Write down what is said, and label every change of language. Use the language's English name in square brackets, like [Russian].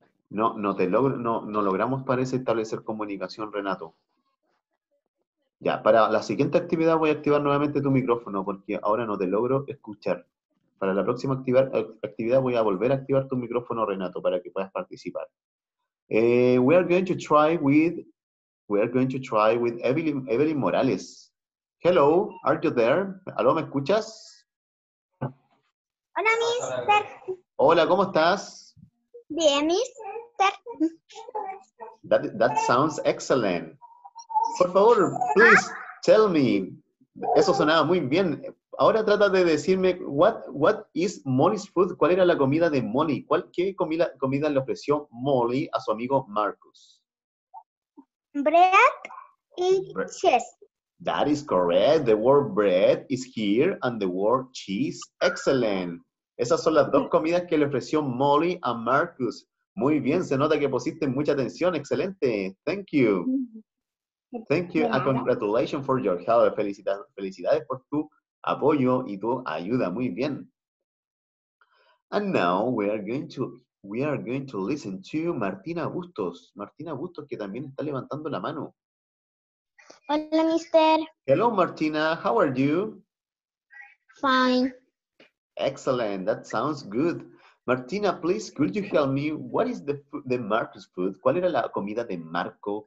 [Spanish] No, no te logro, no logramos, parece, establecer comunicación, Renato. Ya, para la siguiente actividad voy a activar nuevamente tu micrófono, porque ahora no te logro escuchar. Para la próxima actividad voy a volver a activar tu micrófono, Renato, para que puedas participar. [English] We are going to try with Evelyn Morales. Hello, are you there? [Spanish] ¿Aló, me escuchas? Hola, mister. Hola, ¿cómo estás? Bien, mister. [English] That sounds excellent. [Spanish] Por favor, [English] please tell me. [Spanish] Eso sonaba muy bien. Ahora trata de decirme [English] what is Molly's food? [Spanish] ¿Cuál era la comida de Molly? ¿Qué comida le ofreció Molly a su amigo Marcus? [English] Bread y cheese. That is correct. The word bread is here and the word cheese. Excellent. [Spanish] Esas son las dos comidas que le ofreció Molly a Marcus. Muy bien, se nota que pusiste mucha atención. [English] Excelente. Thank you. Thank you. And congratulations for your help. [Spanish] Felicidades por tu apoyo y tu ayuda. Muy bien. [English] And now we are going to listen to Martina Bustos. [Spanish] Martina Bustos, que también está levantando la mano. Hola, mister. [English] Hello, Martina. How are you? Fine. Excellent. That sounds good. Martina, please, could you help me? What is the Marcus food? [Spanish] ¿Cuál era la comida de Marco?